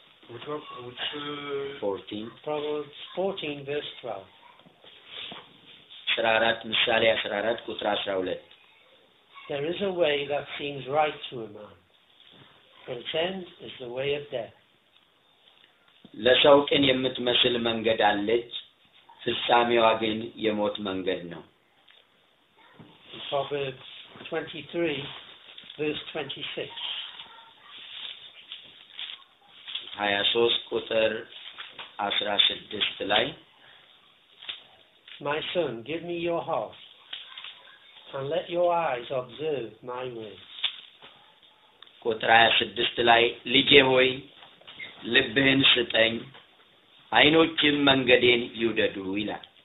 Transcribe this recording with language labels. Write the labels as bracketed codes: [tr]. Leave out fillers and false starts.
[en] Which 14. Proverbs 14 verse 12. [am] 14 ምሳሌ 14 ቁጥር 12. [en] There is a way that seems right to a man, but its end is the way of death. [am] ለሰው ቅን የምትመስል መንገድ አለች ፍጻሜዋ ግን የሞት መንገድ ነው። [en] Proverbs 23 verse 26 [am] 23 ቁጥር 16 ላይ [en] My son, give me your heart and let your eyes observe my ways. [am] ቁጥር 26 ላይ ልጄ ሆይ ልብህን ስጠኝ አይኖችም መንገዴን ይውደዱ ይላል።